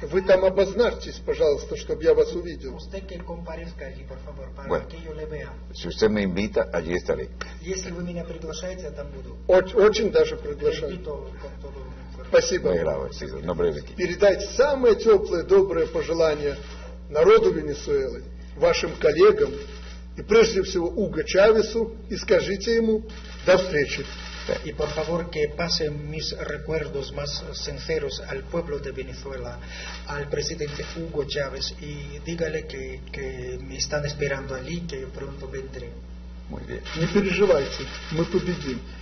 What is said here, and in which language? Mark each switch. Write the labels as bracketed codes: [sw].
[ru] Вы там обозначьтесь, пожалуйста, чтобы я вас увидел. [es] Usted que comparezca allí, por favor, para bueno, que yo le vea. Si usted me invita, allí estaré. [ru] Если вы меня приглашаете, я там буду. Очень даже приглашаю. Спасибо. Передайте самые теплые, добрые пожелания народу Венесуэлы, вашим коллегам и прежде всего Уго Чавесу и скажите ему до встречи. [es] И, por favor, que pasen mis recuerdos más sinceros al pueblo de Venezuela, al presidente Hugo Chávez, y dígale que me están esperando allí, que pronto vendré. muy bien. [ru] Не переживайте, мы победим.